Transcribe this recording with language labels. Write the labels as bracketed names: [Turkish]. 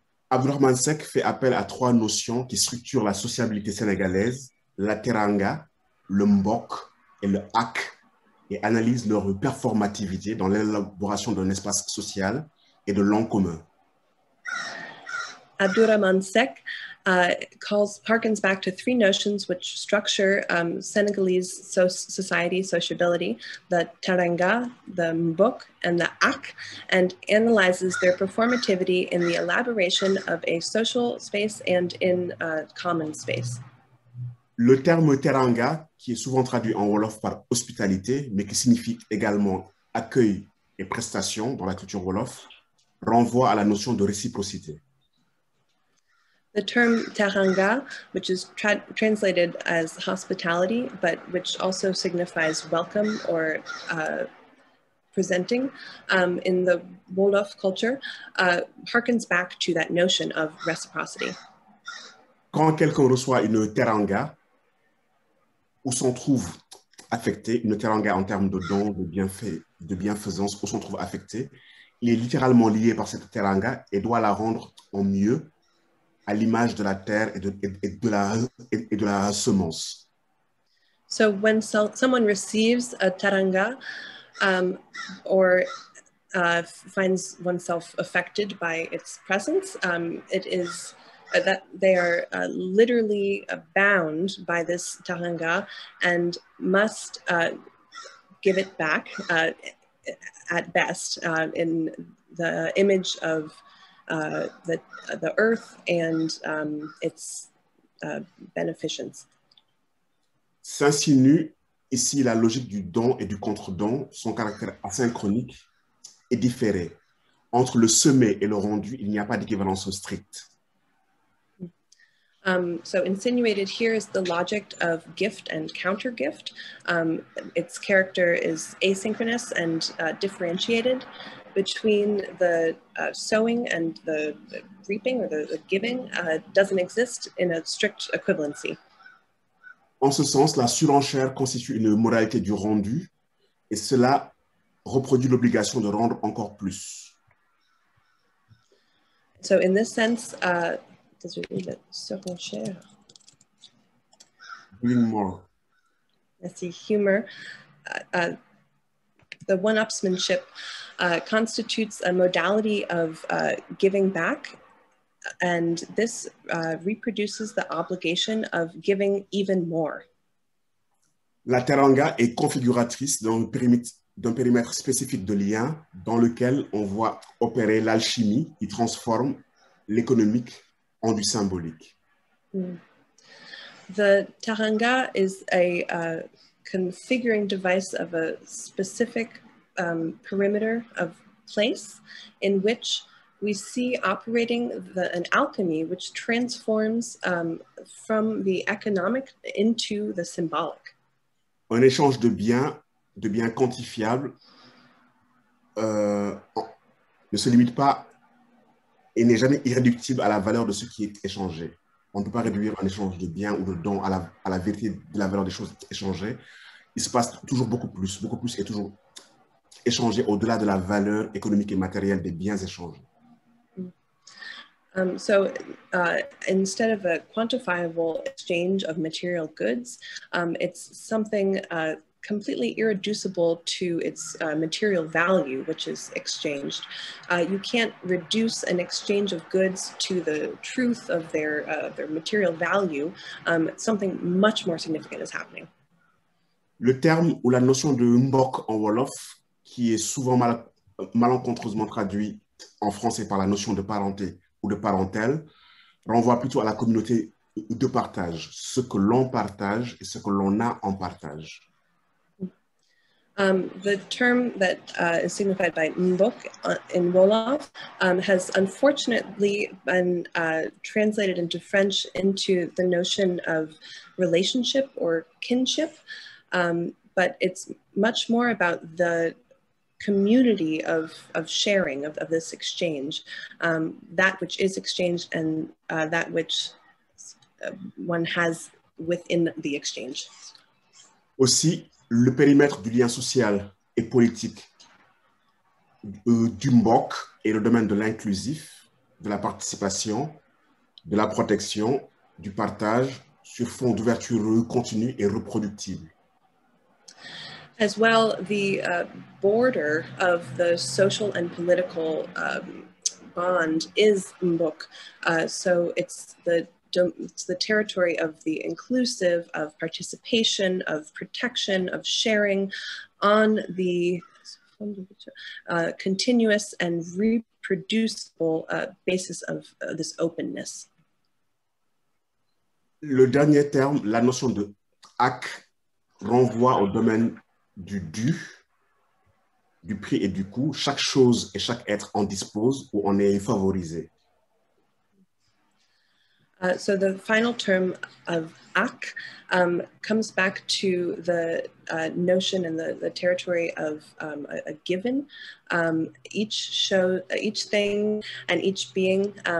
[French] Abdourahmane Seck fait appel à trois notions qui structurent la sociabilité sénégalaise, la teranga, le mbok et le hak, et analyse leur performativité dans l'élaboration d'un espace social et de langue commun. [English] Abdourahmane Seck harkens back to three notions which structure Senegalese society, sociability, the teranga, the mbok, and the ak, and analyzes their performativity in the elaboration of a social space and in a common space. [French] Le terme teranga, qui est souvent traduit en Wolof par hospitalité, mais qui signifie également accueil et prestation dans la culture Wolof, renvoie à la notion de réciprocité. [English] The term teranga, which is translated as hospitality, but which also signifies welcome or presenting in the Wolof culture, harkens back to that notion of reciprocity. [French] quand quelqu'un reçoit une teranga, où s'en trouve affecté, une teranga en termes de dons, de bienfaits, de bienfaisance, où s'en trouve affecté, il est littéralement lié par cette teranga et doit la rendre en mieux à l'image de la terre et de la semence. [English] So when someone receives a teranga finds oneself affected by its presence, it is that they are literally bound by this teranga and must give it back at best in the image of the earth and its beneficence. [French] S'insinue ici la logique du don et du contre-don, son caractère asynchronique et différé. Entre le semé et le rendu, il n'y a pas d'équivalence stricte. [English] So insinuated here is the logic of gift and counter-gift. Its character is asynchronous and differentiated between the sowing and the reaping or the giving doesn't exist in a strict equivalency. [French] En ce sens, la surenchère constitue une moralité du rendu et cela reproduit l'obligation de rendre encore plus. [English] So in this sense, [French] désolé, la surenchère. [English] Doing more. [French] Merci, [English] humor. The one-upsmanship constitutes a modality of giving back. And this reproduces the obligation of giving even more. [French] La teranga est configuratrice d'un périmètre spécifique de lien dans lequel on voit opérer l'alchimie qui transforme l'économique en du symbolique. [English] The teranga is a configuring device of a specific perimeter of place in which we see operating an alchemy which transforms from the economic into the symbolic. [French] Un échange de biens quantifiables ne se limite pas et n'est jamais irréductible à la valeur de ce qui est échangé. On ne peut pas réduire un échange de biens ou de dons à la vérité de la valeur des choses échangées. Il se passe toujours beaucoup plus est toujours échangé au-delà de la valeur économique et matérielle des biens échangés. [English] So instead of a quantifiable exchange of material goods, it's something completely irreducible to its material value, which is exchanged. You can't reduce an exchange of goods to the truth of their material value. Something much more significant is happening. [French] Le terme ou la notion de mbok en Wolof, qui est souvent malencontreusement traduit en français par la notion de parenté, ou de parentèle, renvoie plutôt à la communauté de partage, ce que l'on partage et ce que l'on a en partage. [English] The term that is signified by mbok in Wolof has unfortunately been translated into French into the notion of relationship or kinship, but it's much more about the community of sharing of this exchange, that which is exchanged and that which one has within the exchange. [French] Aussi, le périmètre du lien social et politique du mbok est le domaine de l'inclusif, de la participation, de la protection, du partage sur fond d'ouverture continue et reproductible. [English] As well, the border of the social and political bond is mbok. So it's the territory of the inclusive, of participation, of protection, of sharing on the continuous and reproducible basis of this openness. [French] Le dernier terme, la notion de ak, renvoie au domaine du dû, du prix et du coût, chaque chose et chaque être en dispose ou en est favorisé. [English] So the final term of ak comes back to the notion and the territory of a given. Each thing and each being